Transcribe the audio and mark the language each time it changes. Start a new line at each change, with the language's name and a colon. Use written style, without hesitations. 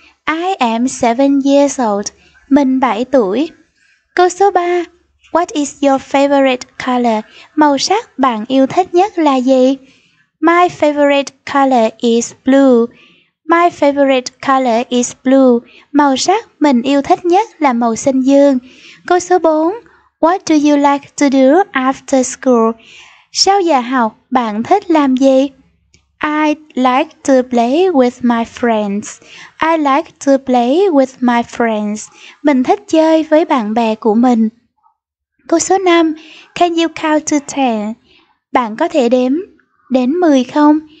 English: I am 7 years old.
Vietnamese: Mình 7 tuổi. Câu số 3.
English: What is your favorite color?
Vietnamese: Màu sắc bạn yêu thích nhất là gì?
English: My favorite color is blue. My favorite color is blue.
Vietnamese: Màu sắc mình yêu thích nhất là màu xanh dương. Câu số 4.
English: What do you like to do after school?
Vietnamese: Sau giờ học, bạn thích làm gì?
English: I like to play with my friends. I like to play with my friends.
Vietnamese: Mình thích chơi với bạn bè của mình. Câu số 5.
English: Can you count to 10?
Vietnamese: Bạn có thể đếm đến 10 không?